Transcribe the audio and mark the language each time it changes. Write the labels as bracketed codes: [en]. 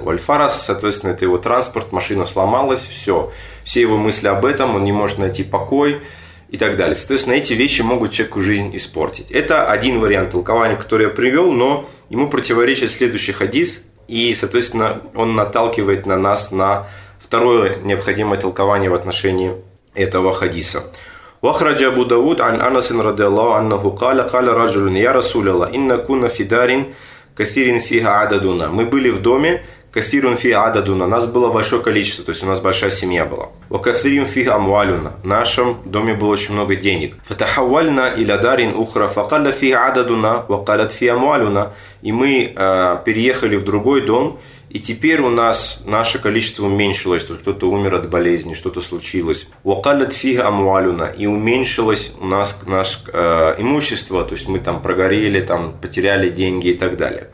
[ru] Вальфарас, соответственно, это его транспорт, машина сломалась, все. Все его мысли об этом, он не может найти покой, и так далее. Соответственно, эти вещи могут человеку жизнь испортить. Это один вариант толкования, который я привел, но ему противоречит следующий хадис, и, соответственно, он наталкивает на нас на второе необходимое толкование в отношении этого хадиса. [ar] وخرج أبو داود عن أنس رضي الله عنه قال قال رجل يا رسول الله إن كنا في دار كثير فيها عددنا. [ru] Мы были в доме [ar] كثير فيها عددنا. [ru] Нас было большое количество, то есть у нас большая семья была. [ar] وكثير فيها أموالنا. [ru] В нашем доме было очень много денег. [ar] فتحولنا إلى دار أخرى فقال فيها عددنا وقالت فيها أموالنا. [ru] И мы переехали в другой дом. И теперь у нас наше количество уменьшилось, то есть кто-то умер от болезни, что-то случилось. [ar] Уакалят фига амуалюна, [ru] и уменьшилось у нас наше имущество, то есть мы там прогорели, там потеряли деньги и так далее.